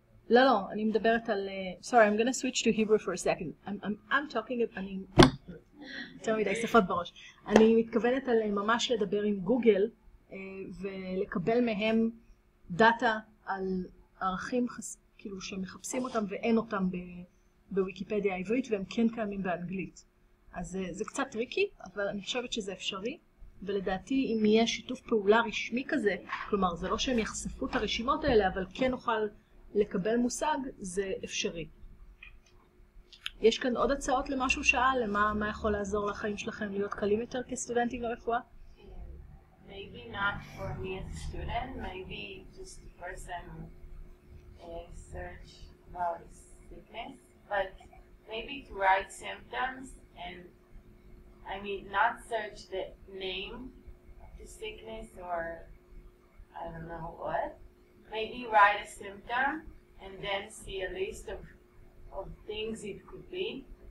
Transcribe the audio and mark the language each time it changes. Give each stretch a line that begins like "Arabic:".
Hebrew: לא, אני מדברת על...
English: Sorry, I'm going to switch to Hebrew for a second. I'm talking...
Hebrew: אני... יותר מדי, שפות בראש. אני מתכוונת על ממש לדבר עם גוגל ולקבל מהם דאטה על ערכים כאילו שמחפשים אותם ואין אותם בוויקיפדיה העברית והם כן קיימים באנגלית. אז זה קצת טריקי, אבל אני חושבת שזה אפשרי. ולדעתי, אם יהיה שיתוף פעולה רשמי כזה, כלומר, זה לא שהם יחשפו את הרשימות האלה, אבל כן נוכל... לקבל מושג, זה אפשרי. יש כאן עוד הצעות למשהו שאל, למה יכול לעזור לחיים שלכם להיות קלים יותר כסטודנטים לרפואה?
English: Maybe not for me as a student, maybe just the person search about sickness, but maybe to write symptoms and, I mean, not search the name of the sickness or I don't know what, maybe write a symptom and then see a list of things it could be.